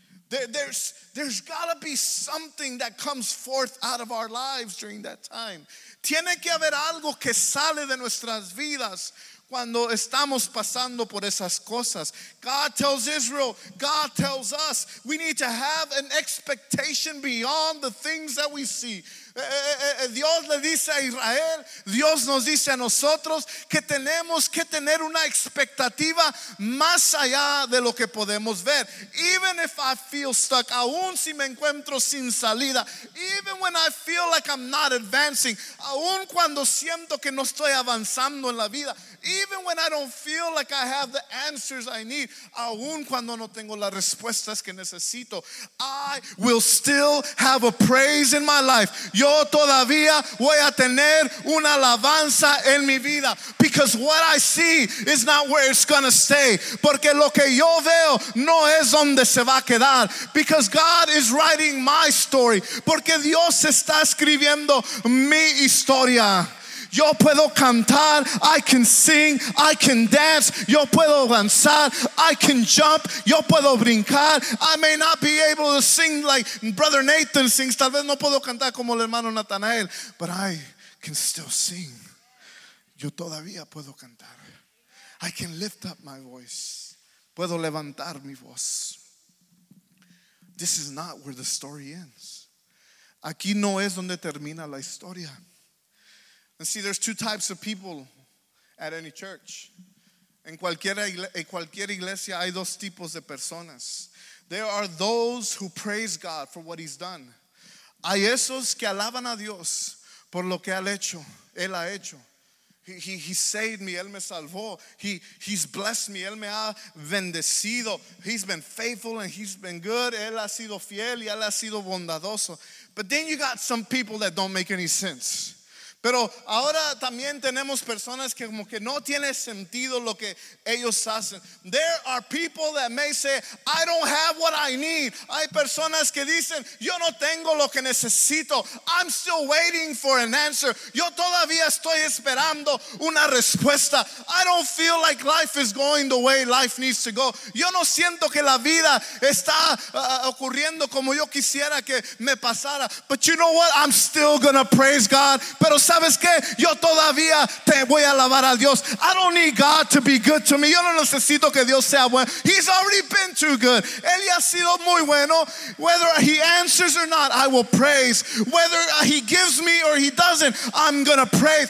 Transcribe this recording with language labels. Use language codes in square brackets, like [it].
[en] There's got to be something that comes forth out of our lives during that time. [es] Tiene que haber algo que sale de nuestras vidas cuando estamos pasando por esas cosas. [en] God tells Israel, God tells us, we need to have an expectation beyond the things that we see. [es] Dios le dice a Israel, Dios nos dice a nosotros que tenemos que tener una expectativa más allá de lo que podemos ver. [en] Even if I feel stuck, [es] aún si me encuentro sin salida, [en] even when I feel like I'm not advancing, [es] aún cuando siento que no estoy avanzando en la vida, [en] even when I don't feel like I have the answers I need, [es] aún cuando no tengo las respuestas que necesito, [en] I will still have a praise in my life. [es] Yo todavía voy a tener una alabanza en mi vida. [en] Because what I see is not where it's going to stay. [es] Porque lo que yo veo no es donde se va a quedar. [en] Because God is writing my story. [es] Porque Dios está escribiendo mi historia. Yo puedo cantar, [en] I can sing, I can dance, [es] yo puedo danzar, [en] I can jump, [es] yo puedo brincar. [en] I may not be able to sing like Brother Nathan sings, [es] tal vez no puedo cantar como el hermano Nathanael, [en] but I can still sing. [es] Yo todavía puedo cantar. [en] I can lift up my voice. [es] Puedo levantar mi voz. [en] This is not where the story ends. [es] Aquí no es donde termina la historia. [en] And see, there's two types of people at any church. [es] En cualquier iglesia hay dos tipos de personas. [en] There are those who praise God for what he's done. [es] Hay esos que alaban a Dios por lo que ha hecho. Él ha hecho. [en] He saved me. [es] Él me salvó. [en] He's blessed me. [es] Él me ha bendecido. [en] He's been faithful and he's been good. [es] Él ha sido fiel y él ha sido bondadoso. [en] But then you got some people that don't make any sense. [es] Pero ahora también tenemos personas que como que no tiene sentido lo que ellos hacen. [en] There are people that may say, I don't have what I need. [es] Hay personas que dicen, yo no tengo lo que necesito. [en] I'm still waiting for an answer. [es] Yo todavía estoy esperando una respuesta. [en] I don't feel like life is going the way life needs to go. [es] Yo no siento que la vida está ocurriendo como yo quisiera que me pasara. [en] But you know what? I'm still gonna praise God. [es] Pero ¿sabes qué? Yo todavía te voy a alabar a Dios. [en] I don't need God to be good to me. [es] Yo no necesito que Dios sea bueno. [en] He's already been too good. [es] Él ya ha sido muy bueno. [en] Whether he answers or not, I will praise. Whether he gives me or he doesn't, I'm gonna praise.